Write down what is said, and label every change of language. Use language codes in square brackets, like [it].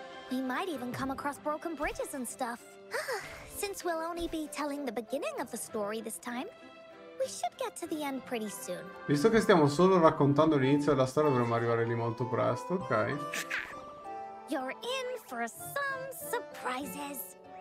[en] We might even come across broken bridges and stuff. Since we'll only be telling the beginning of the story this time, we should get to the end pretty soon. [it] Visto che stiamo solo raccontando l'inizio della storia, dovremmo arrivare lì molto presto, ok? [en] You're in for some surprises.